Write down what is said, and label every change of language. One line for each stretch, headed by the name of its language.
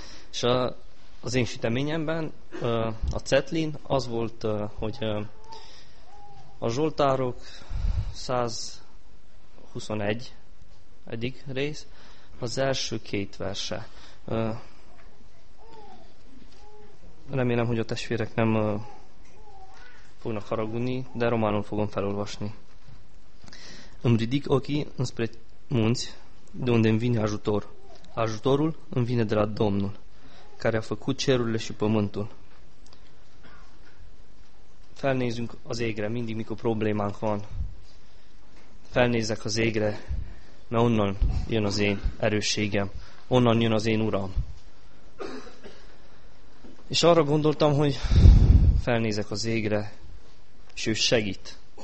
Hungarian: És az én süteményemben a cetlin az volt, hogy a Zsoltárok 121. rész, az első két verse. Remélem, hogy a testvérek nem fognak haragudni, de románul fogom felolvasni.
Romanian: Ridic ochii înspre munți, de unde îmi vine ajutor. Ajutorul îmi vine de la Domnul, care a făcut cerurile și pământul.
Hungarian: felnézünk az égre, mindig, mikor problémánk van. Felnézek az égre, mert onnan jön az én erősségem, onnan jön az én Uram. És arra gondoltam, hogy felnézek az égre, és ő segít.